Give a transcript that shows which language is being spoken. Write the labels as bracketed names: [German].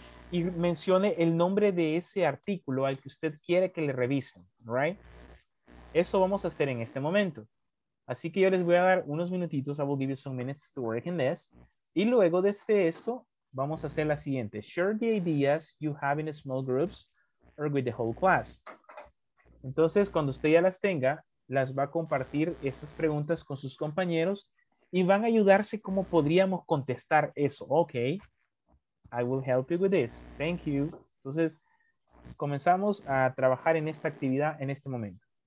[Spanish] Y mencione el nombre de ese artículo al que usted quiere que le revisen, right? Eso vamos a hacer en este momento. Así que yo les voy a dar unos minutitos. [English] I will give you some minutes to work in this. [Spanish] Y luego de esto, vamos a hacer la siguiente. [English] Share the ideas you have in small groups or with the whole class. [Spanish] Entonces, cuando usted ya las tenga, las va a compartir estas preguntas con sus compañeros y van a ayudarse cómo podríamos contestar eso. Okay. [English] I will help you with this. Thank you. [Spanish] Entonces, comenzamos a trabajar en esta actividad en este momento.